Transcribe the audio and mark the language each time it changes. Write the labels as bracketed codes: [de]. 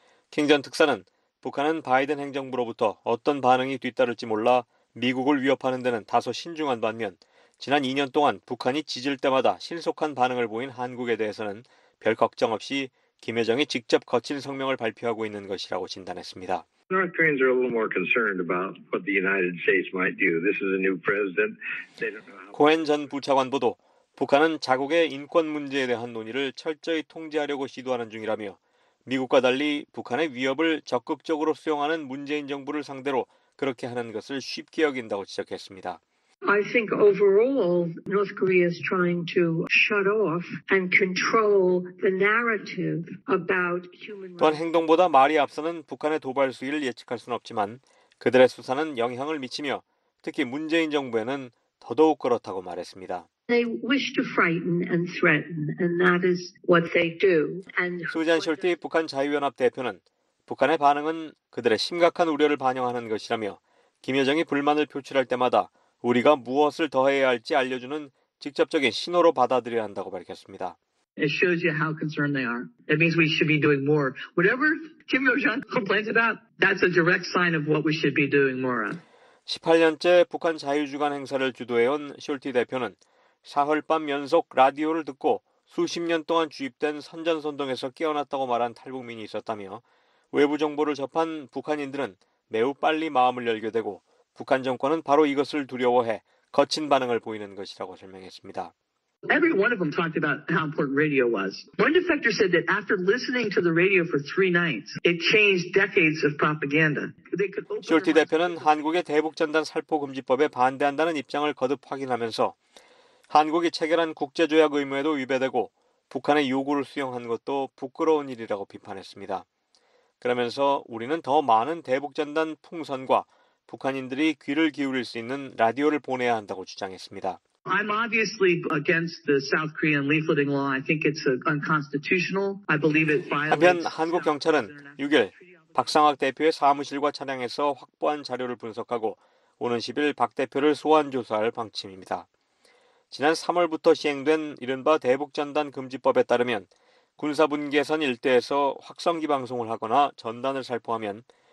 [ko] 킹 전 특사는 북한은 바이든 행정부로부터 어떤 반응이 뒤따를지 몰라 미국을 위협하는 데는 다소 신중한 반면 지난 2년 동안 북한이 지질 때마다 신속한 반응을 보인 한국에 대해서는 별 걱정 없이 김여정이 직접 거친 성명을 발표하고 있는 것이라고 진단했습니다. [en] North Koreans are a little more concerned about what the United States might do. This is a new president. They don't know how. [ko] 코헨 전 부차관보도 북한은 자국의 인권 문제에 대한 논의를 철저히 통제하려고 시도하는 중이라며 미국과 달리 북한의 위협을 적극적으로 수용하는 문재인 정부를 상대로 그렇게 하는 것을 쉽게 여긴다고 지적했습니다. [en] I think overall North Korea is trying to shut off and control the narrative about human rights. [ko] 또한 행동보다 말이 앞서는 북한의 도발 수위를 예측할 수는 없지만 그들의 수사는 영향을 미치며 특히 문재인 정부에는 더더욱 그렇다고 말했습니다. [en] They wish to frighten and threaten, and that is what they do. And [ko] 수잔 숄티 북한 자유연합 대표는 북한의 반응은 그들의 심각한 우려를 반영하는 것이라며 김여정이 불만을 표출할 때마다 우리가 무엇을 더해야 할지 알려주는 직접적인 신호로 받아들여야 한다고 밝혔습니다. [en] It shows you how concerned they are. It means we should be doing more. Whatever Kim Yo-jong complains about, that's a direct sign of what we should be doing more. [ko] 18년째 북한 자유주간 행사를 주도해온 숄티 대표는 사흘 밤 연속 라디오를 듣고 수십 년 동안 주입된 선전선동에서 깨어났다고 말한 탈북민이 있었다며 외부 정보를 접한 북한인들은 매우 빨리 마음을 열게 되고 북한 정권은 바로 이것을 두려워해 거친 반응을 보이는 것이라고 설명했습니다. [en] Every one of them talked about how important radio was. One defector said that after listening to the radio for three nights, it changed decades of propaganda. [ko] 숄티 대표는 한국의 대북전단 살포금지법에 반대한다는 입장을 거듭 확인하면서 한국이 체결한 국제조약 의무에도 위배되고 북한의 요구를 수용한 것도 부끄러운 일이라고 비판했습니다. 그러면서 우리는 더 많은 대북전단 풍선과 북한인들이 귀를 기울일 수 있는 라디오를 보내야 한다고 주장했습니다. [en] I'm obviously against the South Korean leafleting law. I think it's unconstitutional. I believe it violates. [ko] 한편 한국 경찰은 6일 박상학 대표의 사무실과 차량에서 확보한 자료를 분석하고 오는 10일 박 대표를 소환 조사할 방침입니다. 지난 3월부터 시행된 이른바 대북전단 금지법에 따르면 군사분계선 일대에서 확성기 방송을 하거나 전단을 살포하면